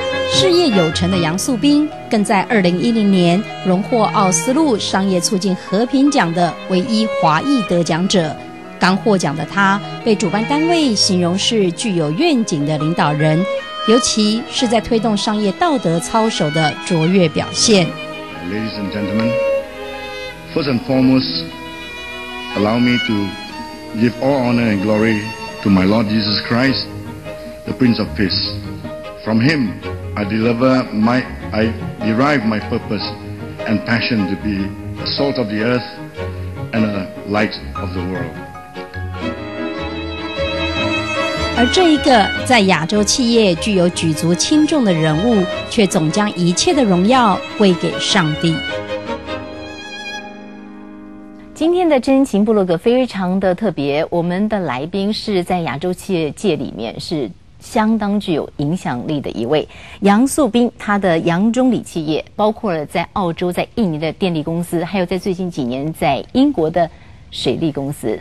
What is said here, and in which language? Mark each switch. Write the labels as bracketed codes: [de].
[zh] 事业有成的杨素斌更在2010年荣获奥斯陆商业促进和平奖的唯一华裔得奖者，刚获奖的他被主办单位形容是具有愿景的领导人，尤其是在推动商业道德操守的卓越表现。 [en] Ladies and gentlemen, first and foremost, allow me to give all honor and glory to my Lord Jesus Christ, the Prince of Peace. From himI derive my purpose and passion to be a salt of the earth and a light of the world. [zh] 而这一个在亚洲企业具有举足轻重的人物，却总将一切的荣耀归给上帝。今天的真情部落格非常的特别，我们的来宾是在亚洲企业界里面是相当具有影响力的一位杨素斌，他的杨忠礼企业包括了在澳洲、在印尼的电力公司，还有在最近几年在英国的水利公司。